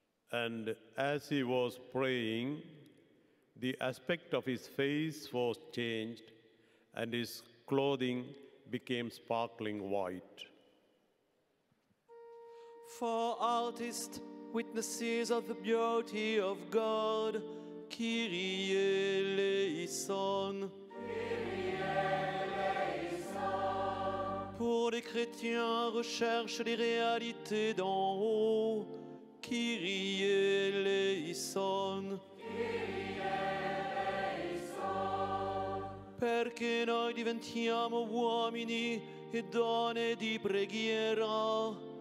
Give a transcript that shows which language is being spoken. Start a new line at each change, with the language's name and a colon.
English: And as he was praying, the aspect of his face was changed and his clothing became sparkling white. For artist witnesses of the beauty of God,
Greek: Kyrie eleison. Kyrie eleison.
French: Pour les chrétiens recherche les réalités d'en haut,
Greek: Kyrie eleison. Kyrie eleison.
Italian: Perché noi diventiamo uomini e donne di preghiera.